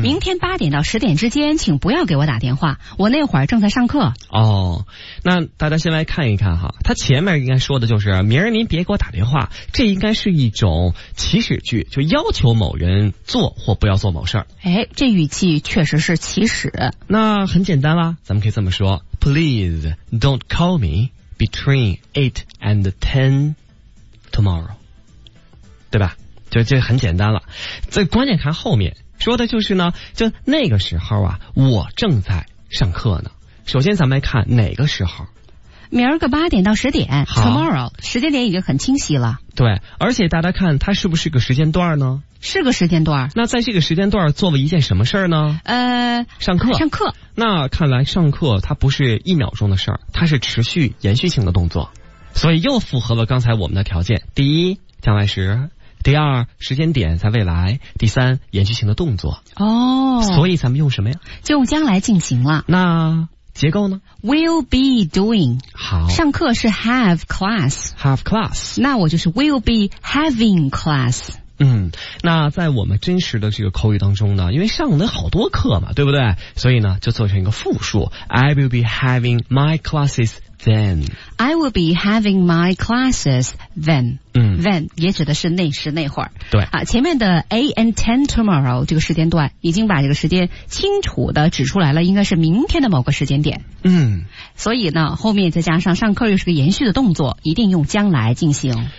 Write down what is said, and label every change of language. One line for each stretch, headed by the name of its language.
Chinese: 明天八点到十点之间请不要给我打电话，我那会儿正在上课。哦，那大家先来看一看哈，他前面应该说的就是明儿您别给我打电话，这应该是一种祈使句，就要求某人做或不要做某事儿。哎，这语气确实是祈使。那很简单啦，咱们可以这么说，
English: Please don't call me between 8 and 10 tomorrow.
Chinese: 对吧？就很简单了。这关键看后面，说的就是呢，就那个时候啊，我正在上课呢。首先咱们来看哪个时候。明儿个八点到十点 ,tomorrow, 时间点已经很清晰了。对，而且大家看它是不是个时间段呢？是个时间段。那在这个时间段做了一件什么事儿呢？上课。上课。那看来上课它不是一秒钟的事儿，它是持续延续性的动作。所以又符合了刚才我们的条件。第一，将来时。第二，时间点在未来。第三，延续性的动作。哦。所以咱们用什么呀？就用将来进行了。那结构呢？
English: Will be doing。
Chinese: 好，上课是 have class。
English: Have class。
Chinese: 那我就是
English: will be having class。
Chinese: 嗯，那在我们真实的这个口语当中呢，因为上了好多课嘛，对不对？所以呢就做成一个复数，
English: I will be having my classes then。 I will be having my classes then。
Chinese: 嗯， then 也指的是那时那会儿。对啊，前面的 8 and 10 tomorrow 这个时间段已经把这个时间清楚的指出来了，应该是明天的某个时间点。嗯，所以呢后面再加上上课又是个延续的动作，一定用将来进行。